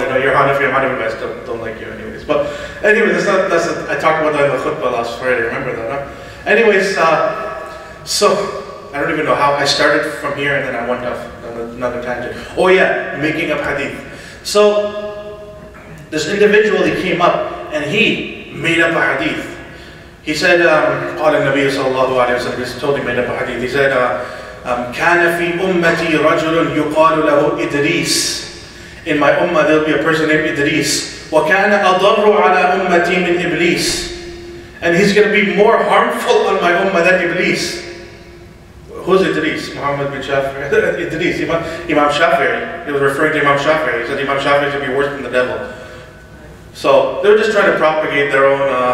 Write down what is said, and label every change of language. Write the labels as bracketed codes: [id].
[en] You know, you're Hanafi, I'm Hanafi, but I still don't like you anyways. But anyway, I talked about that in the khutbah last Friday. Remember that, huh? Anyways, I don't even know how I started from here, and then I went off on another tangent. Oh yeah, making up hadith. So this individual, he came up and he made up a hadith. He said, [ar] قَالَ النَّبِيُّ صَلَى اللَّهُ عَلَيْهِ وَسَلَّمَ. [en] He totally made up a hadith. He said, [ar] كَانَ فِي أُمَّتِي رَجُلٌ يُقَالُ لَهُ إِدْرِيسٌ. [en] In my ummah, there'll be a person named Idris. [ar] وَكَانَ أَضَرُّ عَلَى أُمَّتِي مِنْ إِبْلِيسٌ. [en] And he's going to be more harmful on my ummah than Iblis. Who's Idris? Muhammad bin Shafi'i. Idris, Imam Shafi'i. He was referring to Imam Shafi'i. He said Imam Shafi'i should be worse than the devil. So they were just trying to propagate their own